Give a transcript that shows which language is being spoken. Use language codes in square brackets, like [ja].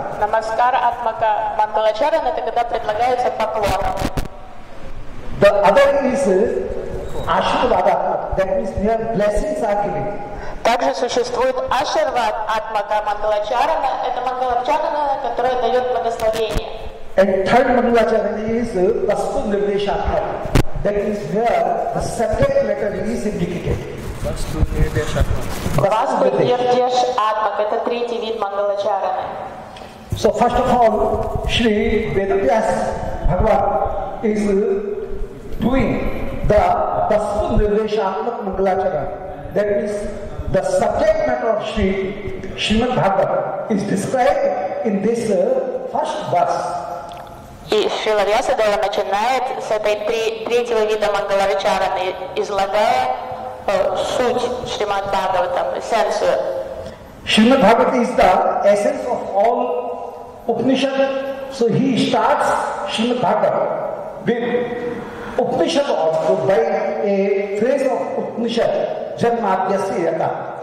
[ru] Намаскара атмака мангалачарана — это когда предлагается поклон. [en] The other is аширвад атмака. That means their blessings are given. [ru] Также существует аширвад атмака мангалачарана — это мангалачарана, которая дает благословение. [en] And third мангалачарана is васту нирдешатка. That means where the subject matter is indicated. [ru] Васту нирдеш атмак — это третий вид мангалачараны. [en] So first of all, Shri Vedavyas Bhagavan is doing the Vastu Nirdeshatmak Mangalachara. That means the subject matter of Shri Srimad Bhagavan is described in this first verse. [ru] И Шрила Вьясадева начинает с этой третьего вида Мангалачараны, излагая суть Шримад Бхагаватам, эссенцию. [en] Шримад Бхагавата is the essence of all Upanishad. So he starts Srimad Bhagavatam with Upanishad also by a phrase of Upanishad, Janmadhyasya.